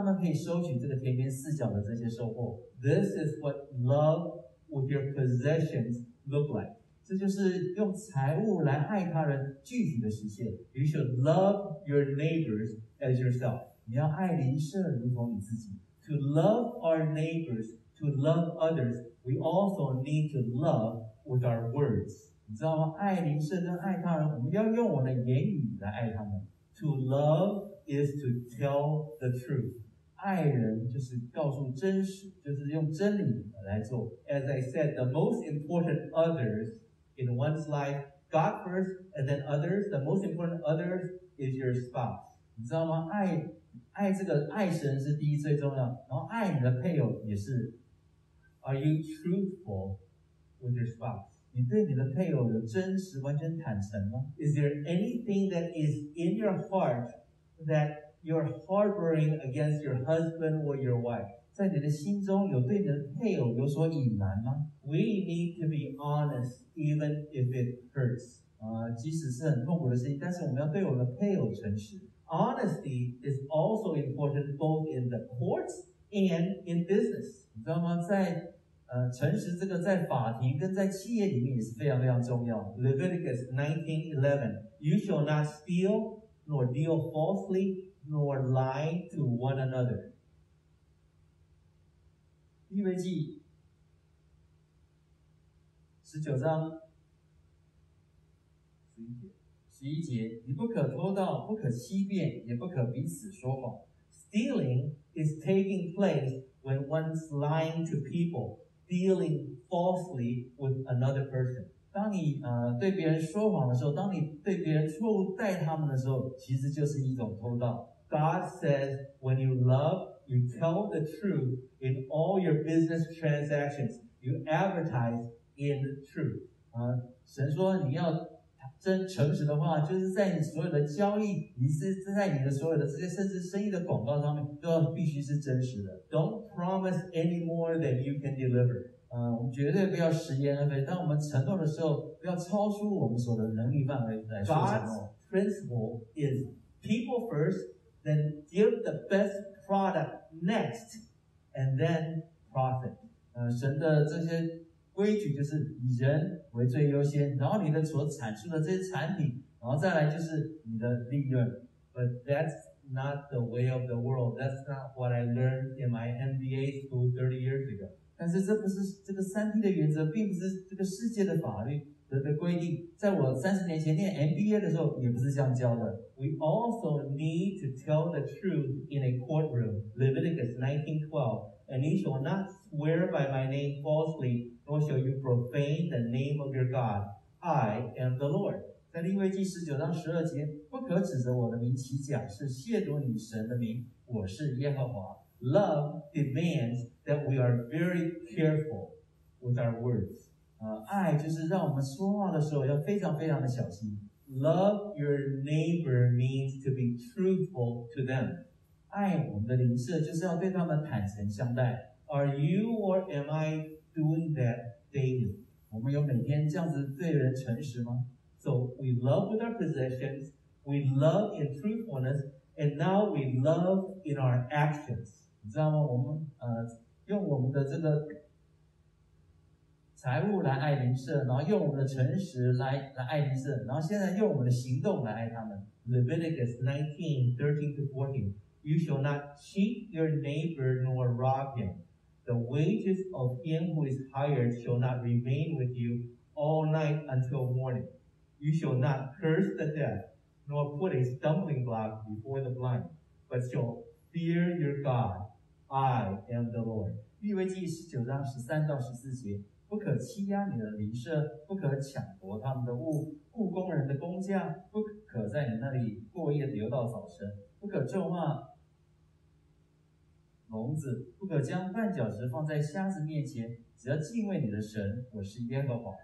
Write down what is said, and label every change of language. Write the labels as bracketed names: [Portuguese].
[Chinese] 让我们建立我们自己的十岁的这样的一个概念跟基金，当有穷人来到我们的田边的时候，让他们可以收取这个田边四角的这些收获。 [English] This is what love with your possessions look like. [Chinese] 这就是用财物来爱他人具体的实现。 [English] You should love your neighbors as yourself. [Chinese] 你要爱邻舍如同你自己。 [English] To love our neighbors, to love others, we also need to love with our words. [Chinese] 你知道吗？爱邻舍跟爱他人，我们要用我的言语来爱他们。 [English] To love is to tell the truth. [Chinese] 爱人就是告诉真实，就是用真理来做。 [English] As I said, the most important others in one's life, God first, and then others, the most important others is your spouse. [Chinese] 你知道吗？爱 爱这个爱神是第一最重要，然后爱你的配偶也是。 [English] Are you truthful with your spouse? [Chinese] 你对你的配偶有真实完全坦诚吗？ [English] Is there anything that is in your heart that you're harboring against your husband or your wife? [Chinese] 在你的心中有对你的配偶有所隐瞒吗？ [English] We need to be honest even if it hurts. [Chinese] 即使是很痛苦的事情，但是我们要对我们的配偶诚实。 [English] Honesty is also important both in the courts and in business. [Chinese] 你知道吗？在诚实这个在法庭跟在企业里面也是非常非常重要。 [English] Leviticus 19:11, you shall not steal, nor deal falsely, nor lie to one another. [Chinese] 利未记十九章十一节，你不可偷盗，不可欺骗，也不可彼此说谎。 [English] Stealing is taking place when one's lying to people. Dealing falsely with another person. [Chinese] 当你对别人说谎的时候，当你对别人错误待他们的时候，其实就是一种偷盗。 [English] God says, when you love, you tell the truth in all your business transactions. You advertise in truth. [Chinese] 神说你要真诚实的话，就是在你所有的交易，你是在你的所有的这些甚至生意的广告上面，都要必须是真实的。 [English] Don't promise any more than you can deliver. [Chinese] 我们绝对不要食言而肥。当我们承诺的时候，不要超出我们所的能力范围来说承诺。 [English] God's principle is people first, then give the best product next, and then profit. [Chinese] 神的这些。规矩就是以人为最优先，然后你的所产出的这些产品，然后再来就是你的利润。 [English] But that's not the way of the world. That's not what I learned in my MBA school 30 years ago. [Chinese] 但是这不是这个三 P 的原则，并不是这个世界的法律的规定。在我30年前念 MBA 的时候，也不是这样教的。 [English] We also need to tell the truth in a courtroom. Leviticus 19:12, and you shall not swear by my name falsely. Nor shall you profane the name of your God. I am the Lord. [Chinese] 在利未记十九章十二节，不可指着我的名起假誓，亵渎你神的名。我是耶和华。 [English] Love demands that we are very careful with our words. [Chinese] 爱就是让我们说话的时候要非常非常的小心。 [English] Love your neighbor means to be truthful to them. [Chinese] 爱我们的邻舍就是要对他们坦诚相待。 [English] Are you or am I? Doing that daily. [Chinese] 我们有每天这样子对人诚实吗？ [English] So we love with our possessions, we love in truthfulness, and now we love in our actions. [Chinese] 你知道吗？我们用我们的这个财务来爱邻舍，然后用我们的诚实来爱邻舍，然后现在用我们的行动来爱他们。 [English] Leviticus 19:13-14. You shall not cheat your neighbor nor rob him. The wages of him who is hired shall not remain with you all night until morning. You shall not curse the deaf, nor put a stumbling block before the blind, but shall fear your God. I am the Lord. [Chinese] 利未记十九章十三到十四节，不可欺压你的邻舍，不可抢夺他们的物，雇工人的工价，不可在你那里过夜留到早晨，不可咒骂。聋子不可将绊脚石放在瞎子面前，只要敬畏你的神，我是耶和华。